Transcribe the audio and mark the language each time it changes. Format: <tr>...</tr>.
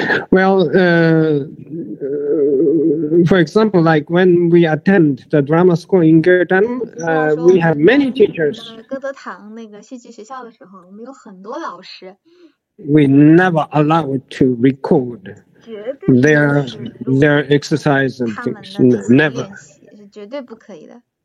<en>Well, for example, like when we attend the drama school in Gyeongdang, we have many teachers.</en> <zh>歌德堂那个戏剧学校的时候，我们有很多老师。</zh> <en>We never allowed to record their exercise and things. Never.</en> <zh>绝对不可以的。</zh>